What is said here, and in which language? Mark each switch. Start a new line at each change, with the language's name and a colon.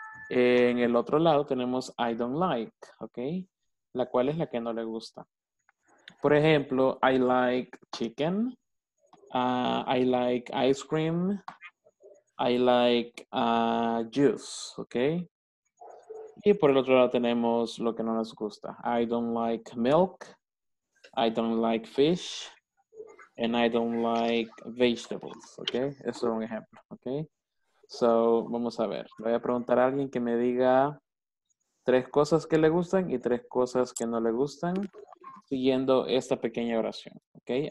Spanish: En el otro lado tenemos,
English: I don't like,
Spanish: ¿ok? La cual es la que no le gusta. Por ejemplo,
English: I like chicken. I like ice cream. I like juice, okay?
Spanish: Y por el otro lado tenemos lo que no nos gusta.
English: I don't like milk, I don't like fish, and I don't like vegetables, okay?
Spanish: Eso es un ejemplo, okay? So, vamos a ver. Voy a preguntar a alguien que me diga tres cosas que le gustan y tres cosas que no le gustan siguiendo esta pequeña oración, okay?